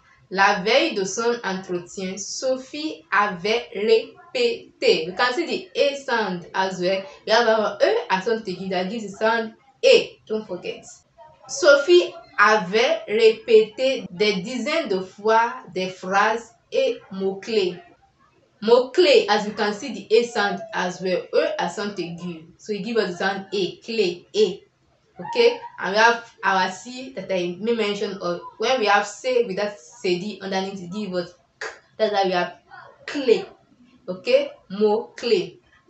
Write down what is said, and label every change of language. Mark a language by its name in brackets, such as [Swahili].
[French] La veille de son entretien, Sophie avait répété. [English] We can see the A sound as well. We have our E accent aigu that gives the sound A. Don't forget. [French] Sophie avait répété des dizaines de fois des phrases et mots-clés. [English] Mot-clé, as you can see, the A sound as well. E accent aigu. So it gives us the sound A, clé, A. Okay? And we have our C that I mentioned. Or when we have C with that CD underneath, it gives us K. That's why we have clé. Okay? Mot-clé.